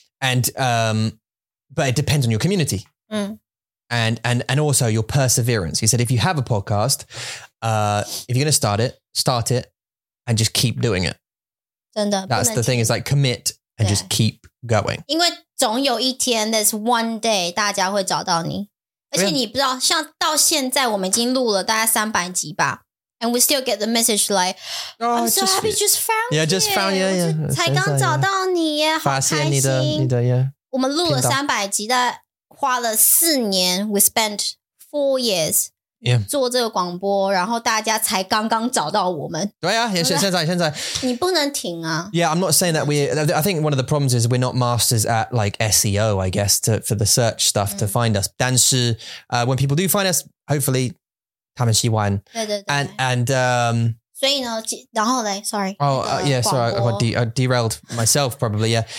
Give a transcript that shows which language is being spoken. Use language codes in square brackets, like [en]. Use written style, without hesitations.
[en] But it depends on your community. And also your perseverance. He said, if you have a podcast, if you're going to start it and just keep doing it. [zh] 真的, [en] That's the thing is like commit and just keep going. [zh] 因为总有一天, [en] there's one day, [zh] 大家会找到你。而且你不知道, 像到现在我们已经录了大概300集吧。 [en] And we still get the message like, I'm so happy you just found you. [zh] 才刚找到你耶, 好开心。我们录了300集的花了四年 ， [en] we spent 4 years [zh] 做这个广播， [en] yeah. [zh] 然后大家才刚刚找到我们。对啊，现在，你不能停啊 [en] ！Yeah, I'm not saying that I think one of the problems is we're not masters at like SEO, I guess, for the search stuff to find us. [zh] 但是 [en] when people do find us, hopefully, [zh] 他们喜欢。对对对。 [en] And [zh] 所以呢，然后嘞 ， [en] sorry. Oh, yeah, sorry, I derailed myself probably. Yeah.